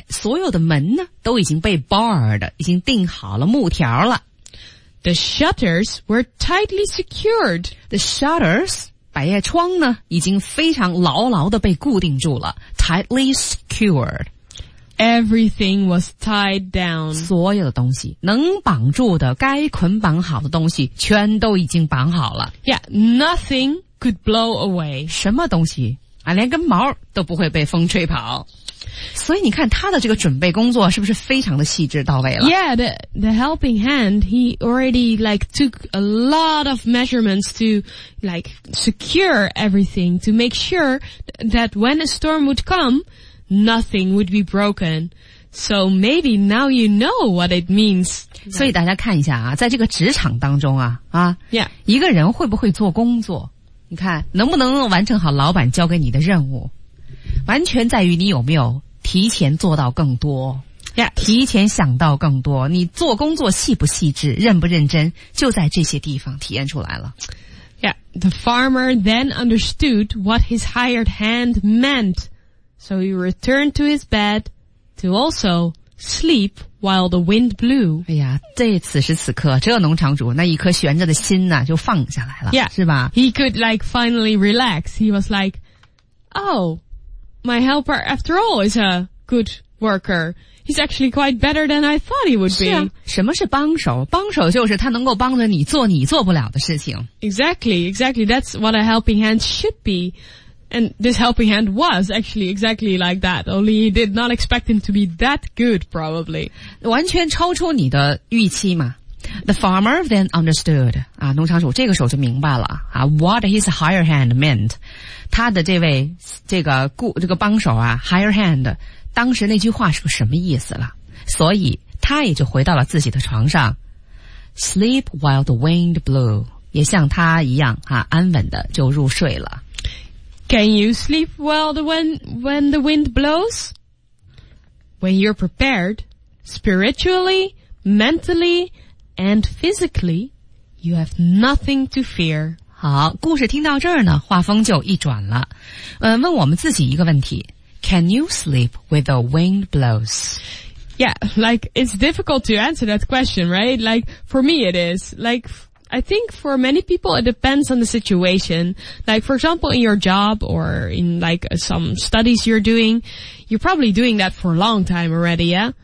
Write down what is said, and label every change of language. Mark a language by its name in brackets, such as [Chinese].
[Chinese] 所有的门呢都已经被 barred， 已经钉好了木条了。 [English] The shutters were tightly secured， The shutters [Chinese] 百叶窗呢已经非常牢牢地被固定住了， [English] tightly secured。 Everything was tied down. [Chinese] 所有的东西能绑住的该捆绑好的东西全都已经绑好了。 [English] Yeah, nothing could blow away. [Chinese] 什么东西啊，连根毛都不会被风吹跑。所以你看他的这个准备工作是不是非常的细致到位了？ [English] Yeah, the helping hand, he already like took a lot of measurements to like secure everything to make sure that when a storm would comeNothing would be broken. So maybe now you know what it means. [Chinese] 所以大家看一下啊，在这个职场当中啊，啊， [English] yeah. [Chinese] 一个人会不会做工作，你看，能不能完成好老板交给你的任务，完全在于你有没有提前做到更多。 [English] Yeah. [Chinese] 提前想到更多，你做工作细不细致，认不认真，就在这些地方体验出来了。 [English] Yeah. The farmer then understood what his hired hand meant. So he returned to his bed to also sleep while the wind blew. [Chinese] 哎呀，这此时此刻，这农场主那一颗悬着的心呢、啊，就放下来了， [English] yeah, [Chinese] 是吧 [English] ？He could like finally relax. He was like, "Oh, my helper, after all, is a good worker. He's actually quite better than I thought he would be." [Chinese] 是啊，什么是帮手？帮手就是他能够帮着你做你做不了的事情。 [English] Exactly, exactly. That's what a helping hand should be. And this helping hand was actually exactly like that, only he did not expect him to be that good, probably. [Chinese] 完全超出你的预期嘛。 [English] The farmer then understood, [Chinese] 啊，农场主这个时候就明白了，啊， [English] what his hired hand meant. [Chinese] 他的这位这个帮手啊，hired hand, 当时那句话是个什么意思了。所以他也就回到了自己的床上。 [English] Sleep while the wind blew, [Chinese] 也像他一样啊，安稳的就入睡了。 [English] Can you sleep well when the wind blows? When you're prepared, spiritually, mentally, and physically, you have nothing to fear. [Chinese] 好，故事听到这儿呢，画风就一转了。问我们自己一个问题。 [English] Can you sleep with the wind blows? Yeah, like, it's difficult to answer that question, right? Like, for me it is. Like, I think for many people it depends on the situation. Like, for example, in your job or in, like, some studies you're doing, you're probably doing that for a long time already, yeah?